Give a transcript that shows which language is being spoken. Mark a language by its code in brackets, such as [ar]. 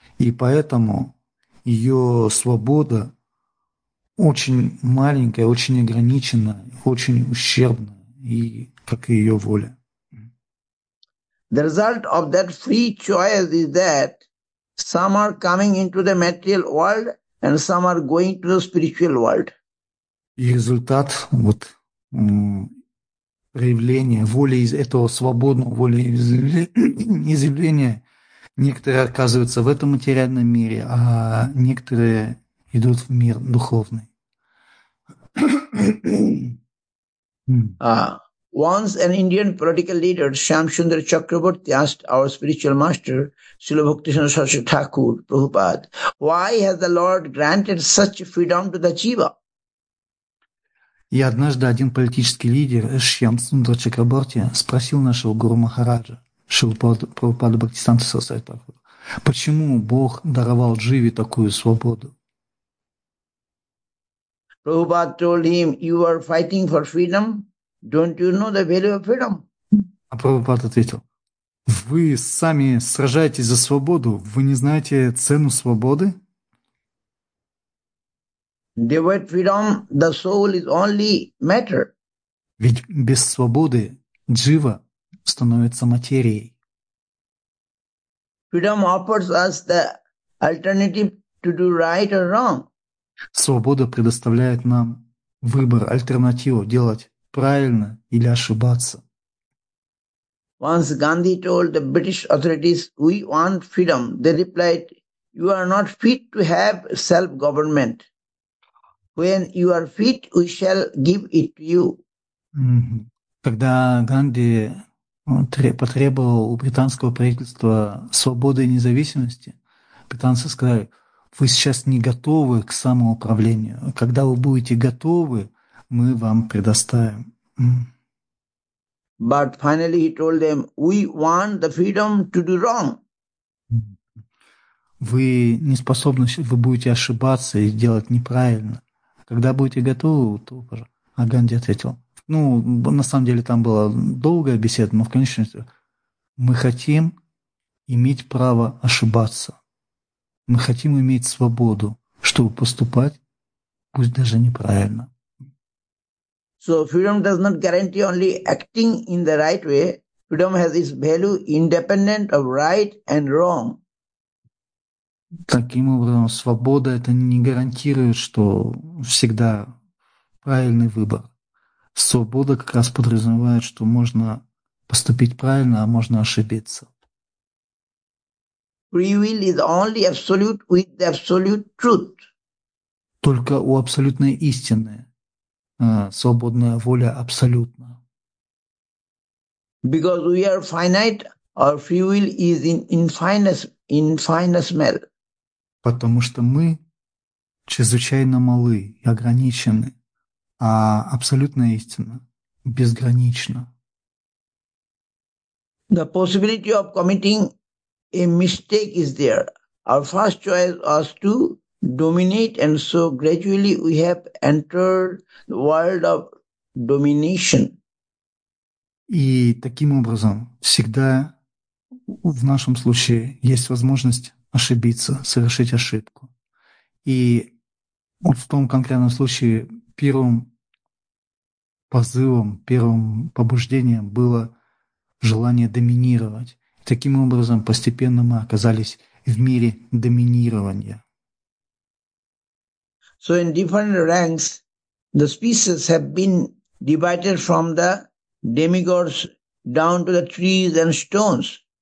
[ru] И поэтому ее свобода очень маленькая, очень ограниченная, очень ущербная, и как и ее воля. [en] The result of that free choice is that some are coming into the material world and some are going to the spiritual world. [ru] И результат вот проявления воли из этого свободного волеизъявления. Некоторые оказываются в этом материальном мире, а некоторые идут в мир духовный. [en] Once an Indian political leader, Shyamasundara Chakraborty, asked our spiritual master, Srila Bhaktisiddhanta Saraswati Thakur, Prabhupada, why has the Lord granted such freedom to the jiva? [ru] И однажды один политический лидер, Шьямасундара Чакраборти, спросил нашего Гуру Махараджа, Шилупада Бхактистанта Сарасвати Такура, почему Бог даровал Дживе такую свободу? [en] Прабхупад told him, you are fighting for freedom. Don't you know the value of freedom? [ru] А Прабхупад ответил, вы сами сражаетесь за свободу, вы не знаете цену свободы? [en] Without freedom, the soul is only matter. [ru] Ведь без свободы Джива становится материей. [en] Freedom offers us the alternative to do right or wrong. [ru] Свобода предоставляет нам выбор, альтернативу, делать правильно или ошибаться. [en] Once Gandhi told the British authorities, we want freedom. They replied, you are not fit to have self-government. When you are fit, we shall give it to you. [ru] Когда Ганди потребовал у британского правительства свободы и независимости, британцы сказали, вы сейчас не готовы к самоуправлению. Когда вы будете готовы, мы вам предоставим. [en] But finally he told them, we want the freedom to do wrong. [ru] Вы не способны, вы будете ошибаться и делать неправильно. Когда будете готовы, то уже. А Ганди ответил, ну, на самом деле там была долгая беседа, но в конечном счете мы хотим иметь право ошибаться. Мы хотим иметь свободу, чтобы поступать, пусть даже неправильно. [en] So freedom does not guarantee only acting in the right way. Freedom has its value independent of right and wrong. [ru] Таким образом, свобода это не гарантирует, что всегда правильный выбор. Свобода как раз подразумевает, что можно поступить правильно, а можно ошибиться. [en] Free will is only absolute with the absolute truth. [ru] Только у абсолютной истины свободная воля абсолютна. [en] Because we are finite, our free will is in infinite smell. [ru] Потому что мы чрезвычайно малы и ограничены. А абсолютная истина безгранична. [en] The possibility of committing a mistake is there. Our first choice was to dominate, and so gradually we have entered the world of domination. [ru] И таким образом всегда в нашем случае есть возможность ошибиться, совершить ошибку. И вот в том конкретном случае первым позывом, первым побуждением было желание доминировать. Таким образом, постепенно мы оказались в мире доминирования. [en] So in different ranks, the species have been divided from the demigods down to the trees and stones.